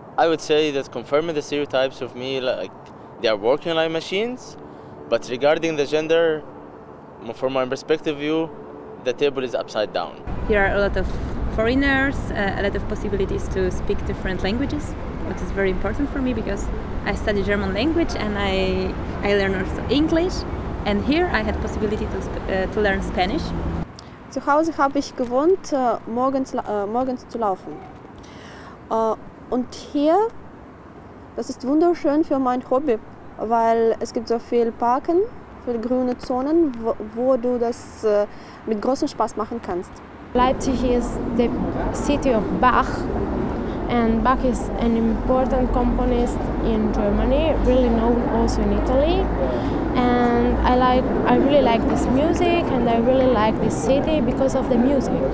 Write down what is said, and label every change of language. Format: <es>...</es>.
<en>I would say that confirming the stereotypes of me, like they are working like machines, but regarding the gender, from my perspective view, the table is upside down. Here are a lot of foreigners, a lot of possibilities to speak different languages, which is very important for me because I study German language and I learn also English, and here I had possibility to learn Spanish.</en> <de>Zu Hause habe ich gewohnt, morgens zu laufen. Und hier, das ist wunderschön für mein Hobby, weil es gibt so viel Parken, viele grüne Zonen, wo du das mit großem Spaß machen kannst.</de> <en>Leipzig is the city of Bach, and Bach is an important componist in Germany, really known also in Italy. And I really like this music, and I really like this city because of the music.</en>